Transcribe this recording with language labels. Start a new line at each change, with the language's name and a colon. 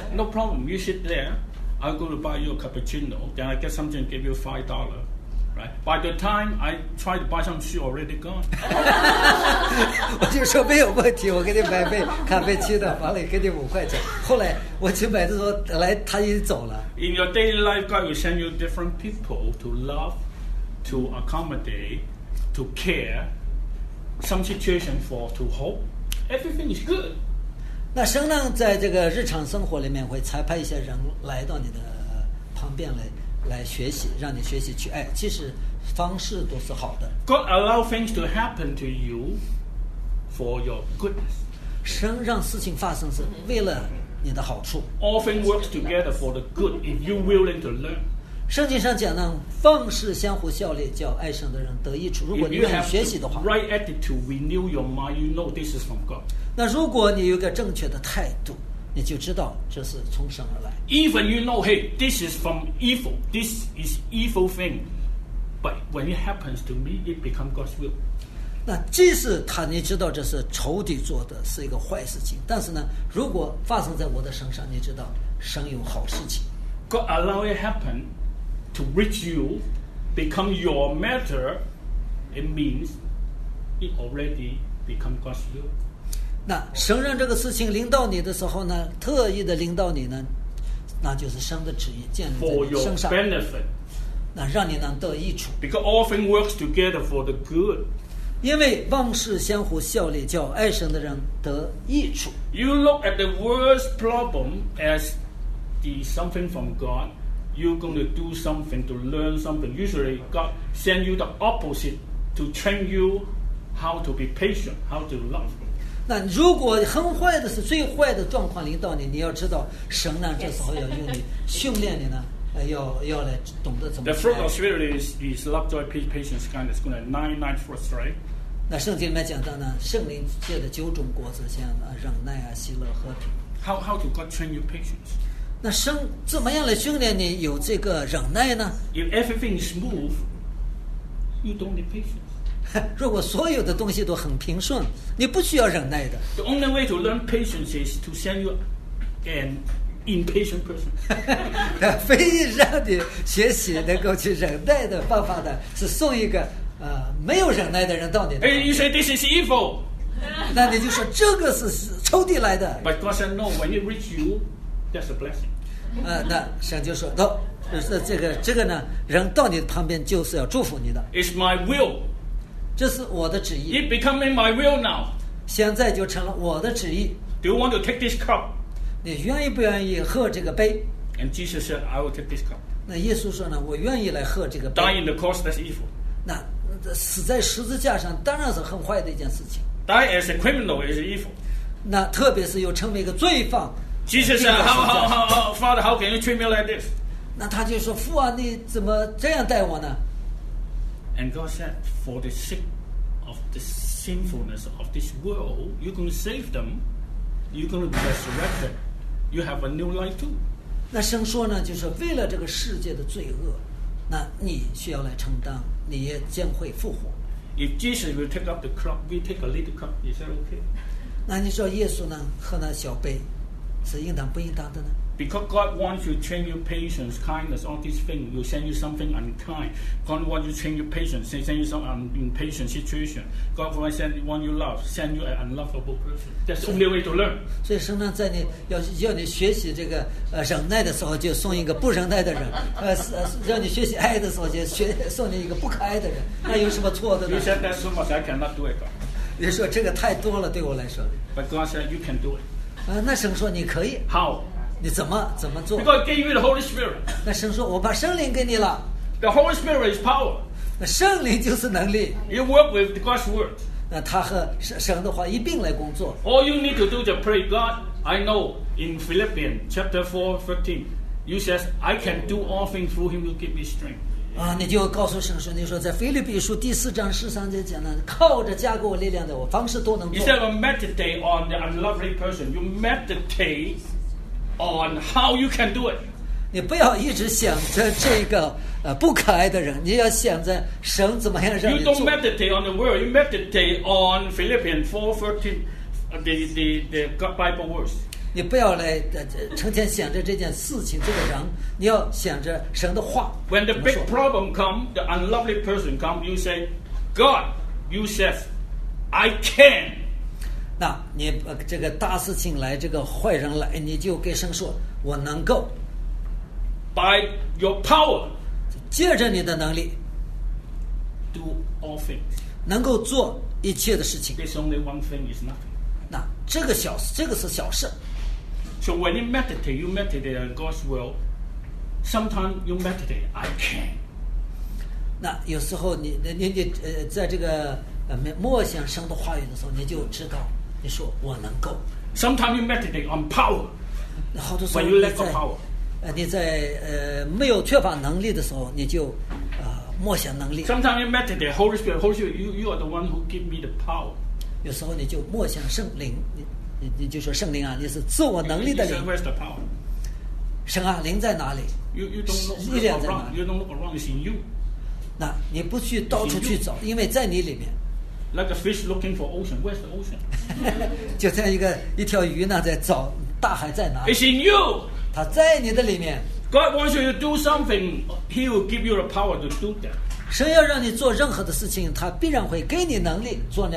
English: No problem. You sit there. I'll go to buy you a cappuccino. Then I get something, give you $5. Right. By the time I try to buy some, she already gone.
Chinese: 我就说没有问题，我给你买杯咖啡去的，完了给你5块钱。后来我去买的时候，来他已经走了。
English: In your daily life, God will send you different people to love, to accommodate, to care, some situation for to hope. Everything is good.
Chinese: 那神呢，在这个日常生活里面会差派一些人来到你的旁边来学习，让你学习去爱。其实方式都是好的。
English: God allow things to happen to you for your goodness.
Chinese: 神让事情发生是为了你的好处。
English: All things work together for the good if you willing to learn.
Chinese: 圣经上讲呢，凡事相互效力，叫爱神的人得益处。如果你愿意学习的话。
English: If you have the right attitude, renew your mind, you know this is from God.
Chinese: 那如果你有个正确的态度，你就知道这是从神而来。
English: Even you know, hey, this is from evil. This is evil thing. But when it happens to me, it becomes God's will.
Chinese: 那即使他你知道这是仇敌做的，是一个坏事情，但是呢，如果发生在我的身上，你知道神有好事情。
English: God allow it happen to reach you, become your matter. It means it already become God's will.
Chinese: 那神让这个事情临到你的时候呢，特意的临到你呢，那就是神的旨意建立在你身上。
English: For your benefit,
Chinese: 那让你能得益处。
English: Because all things work together for the good.
Chinese: 因为万事相互效力，叫爱神的人得益处。
English: You look at the worst problem as the something from God. You're going to do something to learn something. Usually, God send you the opposite to train you how to be patient, how to love.
Chinese: 那如果很坏的是最坏的状况临到你，你要知道神呢这时候要用你训练你呢，要来懂得怎么。
English: The fruit of spirit is love, joy, peace, patience, kindness, goodness, nine fruits, right?
Chinese: 那圣经里面讲到呢，圣灵界的九种果子，像忍耐啊、喜乐、和平。
English: How do God train you patience?
Chinese: 那生怎么样来训练你有这个忍耐呢
English: ？If everything is smooth, you don't need patience.
Chinese: 如果所有的东西都很平顺，你不需要忍耐的。
English: The only way to learn patience is to send you an impatient person.
Chinese: 非让你学习能够去忍耐的方法的，是送一个。没有忍耐的人到底。
English: Hey, you say this is evil.
Chinese: 那你就说这个是仇敌来的。
English: But God said no. When it reaches you, that's a blessing.
Chinese: 那神就说，这个呢，人到你旁边就是要祝福你的。
English: It's my will.
Chinese: 这是我的旨意。
English: It becoming my will now.
Chinese: 现在就成了我的旨意。
English: Do you want to take this cup?
Chinese: 你愿意不愿意喝这个杯
English: ？And Jesus said, I will take this cup.
Chinese: 那耶稣说呢，我愿意来喝这个杯。
English: Die in the cross, that's evil.
Chinese: 那死在十字架上当然是很坏的一件事情。
English: Die as a criminal is evil.
Chinese: 那特别是又成为一个罪犯。
English: Jesus said, how, Father, how can you treat me like this?
Chinese: 那他就说，父啊，你怎么这样待我呢
English: ？And God said, for the sake of the sinfulness of this world, you're going to save them. You're going to be resurrected. You have a new life too.
Chinese: 那神说呢，就是为了这个世界的罪恶，那你需要来承担。你也将会复活。
English: If Jesus will take up the cup, we take a little cup. Is that okay?
Chinese: 那你说耶稣呢？喝那小杯，是应当不应当的呢
English: ？Because God wants you to train your patience, kindness, all these things. You send you something unkind. God wants you to train your patience. He send you some impatient situation. God wants send you love. Send you an unlovable person. That's the only way to learn.
Chinese: 所以神呢，在你要你学习这个忍耐的时候，就送一个不忍耐的人；让你学习爱的时候，就送你一个不可爱的人。那有什么错的呢
English: ？You said that so much, I cannot do it.、God.
Chinese: 你说这个太多了，对我来说。
English: But God said you can do it.
Chinese: 那神说你可以。
English: How?
Chinese: 你怎么做
English: ？Because I gave you the Holy Spirit.
Chinese: 那神说我把圣灵给你了。
English: The Holy Spirit is power.
Chinese: 那圣灵就是能力。
English: You work with God's word.
Chinese: 那他和神的话一并来工作。
English: All you need to do is pray. God, I know in Philippians chapter 4:13, you says I can do all things through Him who gives me strength.
Chinese: 你就告诉神说，你说在腓立比书第四章十三节讲呢，靠着加给我力量的，我凡事都能做。
English: Instead of meditate on the unlovely person, you meditate on how you can do it.
Chinese: 你不要一直想着这个不可爱的人，你要想着神怎么样让你做。
English: You don't meditate on the world, you meditate on Philippians 4:13, the Bible words.
Chinese: 你不要来成天想着这件事情这个人，你要想着神的话。
English: When the big problem comes, the unlovely person comes, you say, God, you said, I can.
Chinese: 那你这个大事情来，这个坏人来，你就给神说，我能够。
English: By your power,
Chinese: 借着你的能力
English: ，do all things.
Chinese: 能够做一切的事情。
English: There's only one thing is nothing.
Chinese: 那这个是小事。
English: So when you meditate on God's will. Sometimes you meditate, I can.
Chinese: 那有时候你在这个默想神的话语的时候，你就知道，你说我能够。
English: Sometimes you meditate on power.
Chinese: 好多时
English: 候，when you lack of power.
Chinese: 你在没有缺乏能力的时候，你就默想能力。
English: Sometimes you meditate, Holy Spirit, you are the one who give me the power.
Chinese: 有时候你就默想圣灵。你就说圣灵啊，你是自我能力的灵。神啊，灵在哪里？力量在哪里
English: ？You don't look around, it's in you.
Chinese: 那你不去到处去找，因为在你里面。
English: Like a fish looking for ocean, where's the ocean?
Chinese: 就像一条鱼呢，在找大海在哪里
English: ？It's in you.
Chinese: 它在你的里面。
English: God wants you to do something, He will give you the power to do that.
Chinese: 神要让你做任何的事情，他必然会给你能力做那。